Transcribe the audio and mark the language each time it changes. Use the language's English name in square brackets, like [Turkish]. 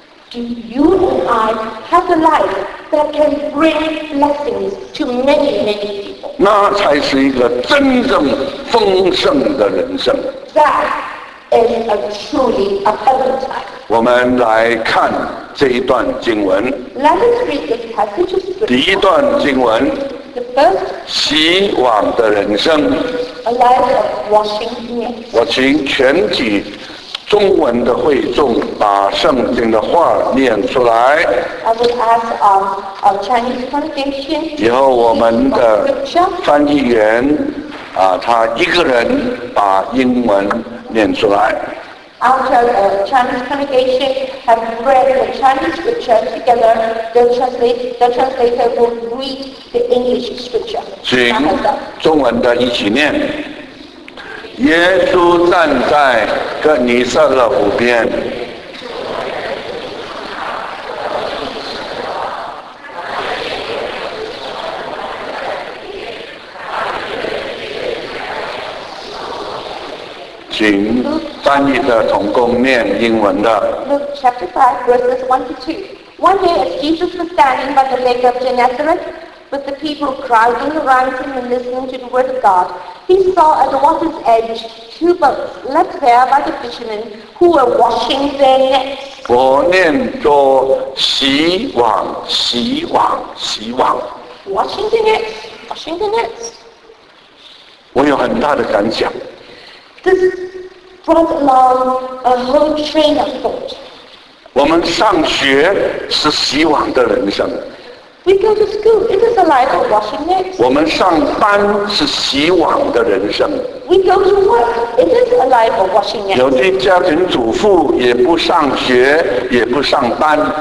[English] Do you and I have a life that can bring blessings to many, many people? [Chinese] 那才是一个真正丰盛的人生。 [English] That is a truly abundant life. [Chinese] 我们来看这一段经文。 [English] Let us read the passage. [Chinese] 第一段经文。 [English] The first. [Chinese] 洗碗的人生。 [English] A life of washing hands. [Chinese] 我请全体中文的会众把圣经的话念出来。 [English] I will ask our Chinese congregation. [Chinese] 以后我们的翻译员啊，他一个人把英文念出来。 [English] After the Chinese congregation have read the Chinese scripture together, the translator will read the English scripture. [Chinese] 请中文的一起念。耶稣站在哥尼撒勒湖边。请翻译的同工念英文的。 [English] Luke chapter 5, verses 1 to 2. One day as Jesus was standing by the lake of Gennesaret, with the people crowding around him and listening to the word of God, he saw at the water's edge two boats left there by the fishermen who were washing their nets. [Chinese] 我念作洗网，洗网，洗网。 [English] Washing the nets, washing the nets. [Chinese] 我有很大的感想。 [English] This brought along a whole train of thought. [Chinese] 我们上学是洗碗的人生。 [English] We go to school. It is a life of washing nets. [Chinese] 我们上班是洗碗的人生。 [English] We go to work. It is a life of washing nets. [Chinese] 有的家庭主妇也不上学，也不上班。